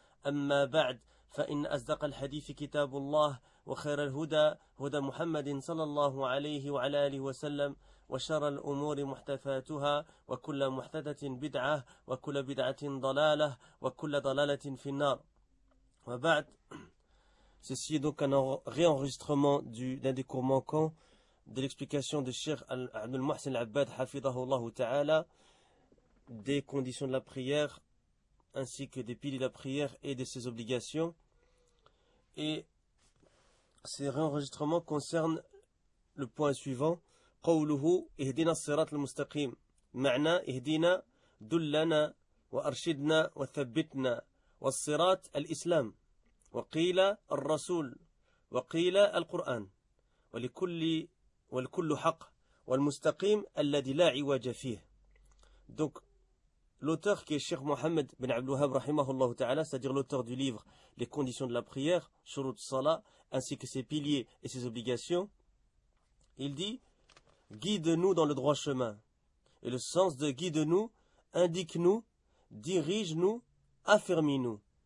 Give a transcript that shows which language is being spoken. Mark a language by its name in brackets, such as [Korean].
[Arabic] أما بعد، فإن أصدق الحديث كتاب الله، وخير الهدى هدى محمد صلى الله عليه وعلى آله وسلم، وشر الأمور محدثاتها، وكل محدثة بدعة، وكل بدعة ضلالة، وكل ضلالة في النار. [French] وبعد، ceci est donc un réenregistrement d'un des cours manquants de l'explication de Cheikh Abdul Mohsen Al-Abbad, hafidhahullah ta'ala, des conditions de la prière ainsi que des piliers de la prière et de ses obligations. Et ces réenregistrements concernent le point suivant: [Arabic] قوله اهدنا الصراط المستقيم معنى اهدنا دلنا وارشدنا وثبتنا والصراط الإسلام وقيل الرسول وقيل القرآن والكل حق والمستقيم الذي لا عواج فيه. [French] Donc l'auteur, qui est Cheikh Mohammed bin Abdul Wahhab rahimahullah ta'ala, c'est-à-dire l'auteur du livre Les conditions de la prière, Shurut Salah, ainsi que ses piliers et ses obligations, il dit: guide-nous dans le droit chemin. Et le sens de guide-nous, indique-nous, dirige-nous, affermis-nous.